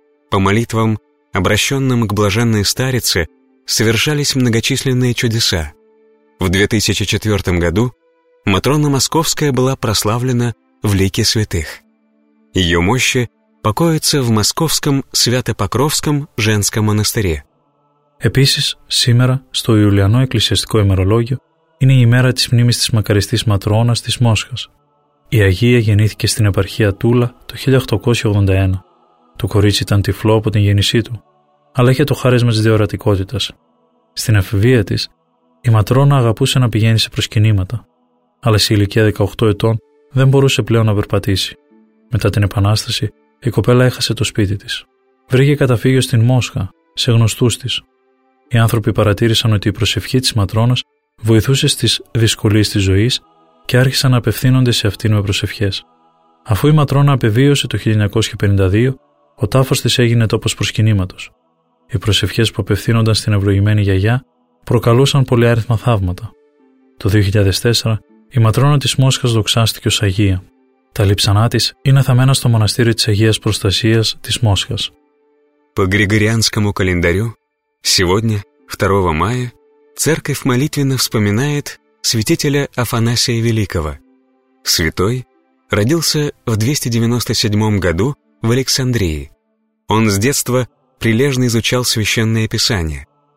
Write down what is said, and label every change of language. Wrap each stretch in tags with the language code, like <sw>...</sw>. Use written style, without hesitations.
<ru>По молитвам, обращенным к блаженной старице, совершались многочисленные чудеса. В 2004 году Матрона Московская была прославлена в лике святых. Ее мощи покоятся в Московском Свято-Покровском женском монастыре.</ru> <el>Επίσης,</el> <ru>сегодня,</ru> <el>στο Ιουλιανό Εκκλησιαστικό ημερολόγιο, είναι η μέρα της μνήμης της μακαριστής Ματρόνας της Μόσχας. Η Αγία γεννήθηκε στην επαρχία Τούλα το 1881. Το κορίτσι ήταν τυφλό από την γέννησή του, αλλά είχε το χάρισμα της διορατικότητας. Στην εφηβεία της, η Ματρόνα αγαπούσε να πηγαίνει σε προσκυνήματα, αλλά σε ηλικία 18 ετών δεν μπορούσε πλέον να περπατήσει. Μετά την Επανάσταση, η κοπέλα έχασε το σπίτι της. Βρήκε καταφύγιο στην Μόσχα, σε γνωστούς της. Οι άνθρωποι παρατήρησαν ότι η προσευχή της Ματρόνας βοηθούσε στις δυσκολίες της ζωής και άρχισαν να απευθύνονται σε αυτήν με προσευχές. Αφού η Ματρόνα επεβίωσε το 1952, ο τάφος της έγινε τόπος προσκυνήματος. Οι προσευχές που απευθύνονταν στην ευλογημένη γιαγιά προκαλούσαν πολυάριθμα θαύματα. Το 2004, η Ματρόνα της Μόσχας δοξάστηκε ως Αγία. Τα λείψανά της είναι θαμμένα στο μοναστήρι της Αγίας Προστασίας της Μόσχας.</el> <ru>По Григорианскому календарю, сегодня, 2 мая, Церковь молитвенно вспоминает святителя Афанасия Великого. Святой родился в 297 году в Александрии. Он с детства прилежно изучал священное писание.</ru>